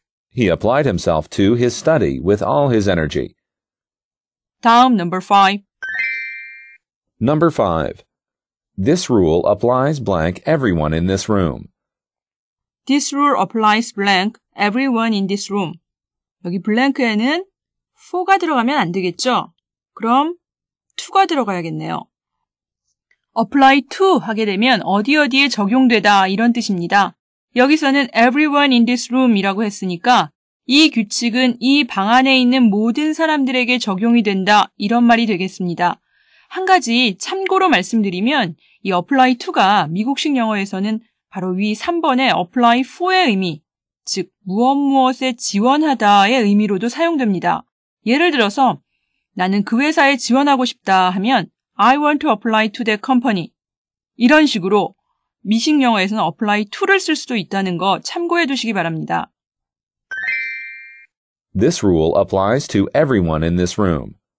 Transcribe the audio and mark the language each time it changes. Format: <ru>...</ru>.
<en>He applied himself to his study with all his energy.</en> <ko>다음,</ko> <en>number 5. Number 5. This rule applies blank everyone in this room. This rule applies blank everyone in this room.</en> <ko>여기 blank에는 for가 들어가면 안 되겠죠? 그럼 to가 들어가야겠네요. apply to 하게 되면 어디 어디에 적용되다 이런 뜻입니다. 여기서는</ko> <en>everyone in this room</en> <ko>이라고 했으니까 이 규칙은 이 방 안에 있는 모든 사람들에게 적용이 된다 이런 말이 되겠습니다. 한 가지 참고로 말씀드리면 이 apply to가 미국식 영어에서는 바로 위 3번의 apply for의 의미, 즉 무엇 무엇에 지원하다의 의미로도 사용됩니다. 예를 들어서 나는 그 회사에 지원하고 싶다 하면</ko> <en>I want to apply to that company.</en> <ko>이런 식으로 미식 영어에서는 apply to를 쓸 수도 있다는 거 참고해 두시기 바랍니다.</ko> <en>This rule applies to everyone in this room.</en>